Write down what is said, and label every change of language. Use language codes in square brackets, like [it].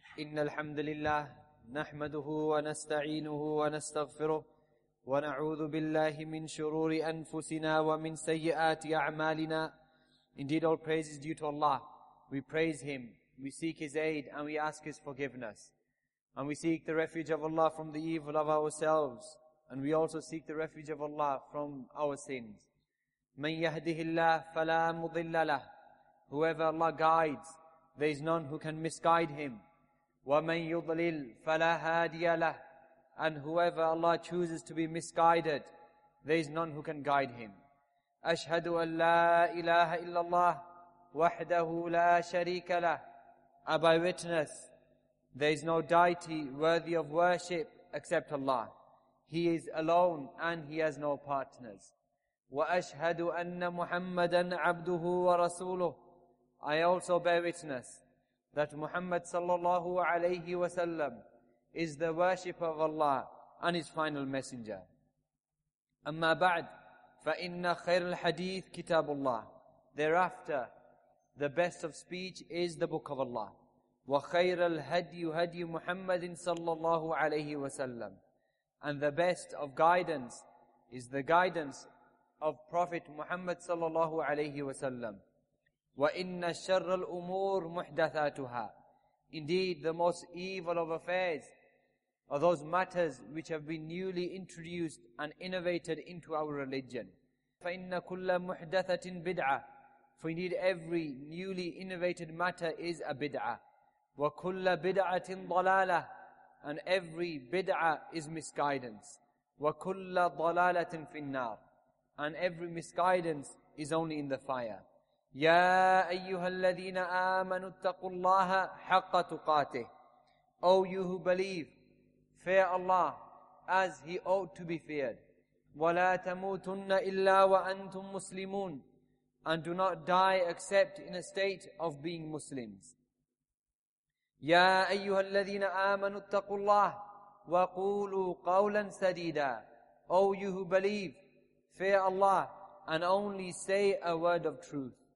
[ar] إن الحمد لله نحمده ونستعينه ونستغفره ونعوذ بالله من شرور أنفسنا ومن سيئات أعمالنا. [en] Indeed, all praise is due to Allah. We praise Him, we seek His aid, and we ask His forgiveness. And we seek the refuge of Allah from the evil of ourselves, and we also seek the refuge of Allah from our sins. [ar] من يهده الله فلا مضل له. [en] Whoever Allah guides, there is none who can misguide him. [ar] وَمَنْ يُضْلِلْ فَلَا هَادِيَ لَهُ. [en] And whoever Allah chooses to be misguided, there is none who can guide him. [ar] أَشْهَدُ أَنْ لَا إِلَهَ إِلَّا اللَّهُ وَحْدَهُ لَا شَرِيكَ لَهُ. [en] By witness, there is no deity worthy of worship except Allah. He is alone and He has no partners. [ar] وَأَشْهَدُ أَنَّ مُحَمَّدًا عَبْدُهُ وَرَسُولُهُ. [en] I also bear witness that Muhammad sallallahu alayhi wa sallam is the worshipper of Allah and His final messenger. [ar] Amma ba'd, فَإِنَّ خَيْرَ الْحَدِيثِ كِتَابُ اللَّهِ. [en] Thereafter, the best of speech is the Book of Allah. [ar] وَخَيْرَ الْهَدْيُ هَدْيُ مُحَمَّدٍ sallallahu alayhi wa sallam. [en] And the best of guidance is the guidance of Prophet Muhammad sallallahu alayhi wa sallam. [ar] وَإِنَّ شَرَّ الْأُمُورِ مُحْدَثَاتُهَا. [en] Indeed, the most evil of affairs are those matters which have been newly introduced and innovated into our religion. [ar] فَإِنَّ كُلَّ مُحْدَثَةٍ بِدْعَةٍ. [en] For indeed, every newly innovated matter is a bid'ah. [ar] وَكُلَّ بِدْعَةٍ ضَلَالَةٍ. [en] And every bid'ah is misguidance. [ar] وَكُلَّ ضَلَالَةٍ فِي النَّارٍ. [en] And every misguidance is only in the fire. [ar] يا أيها الذين آمنوا اتقوا الله حق تقاته. [en] O you who believe, fear Allah as He ought to be feared. [ar] ولا تموتن إلا وأنتم مسلمون. [en] And do not die except in a state of being Muslims. [ar] يا أيها الذين آمنوا اتقوا الله وقولوا قولا سديدا. [en] O you who believe, fear Allah and only say a word of truth.